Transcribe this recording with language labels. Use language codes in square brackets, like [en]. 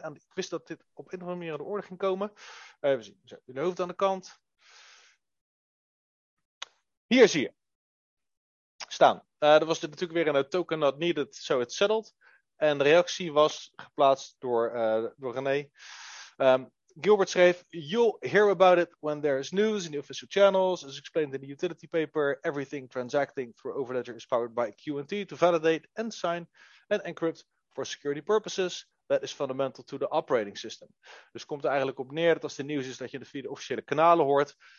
[nl] En ik wist dat dit op een of andere manier aan de orde ging komen. Even zien. Zo, de hoofd aan de kant. Hier zie je staan. Er was er natuurlijk weer een [en] token not needed, so it settled. [nl] En de reactie was geplaatst door René. Gilbert schreef: [en] you'll hear about it when there is news in the official channels. As explained in the utility paper, everything transacting through Overledger is powered by Q&T to validate and sign and encrypt for security purposes. That is fundamental to the operating system. [nl] Dus komt er eigenlijk op neer dat als er nieuws is dat je het via de officiële kanalen hoort.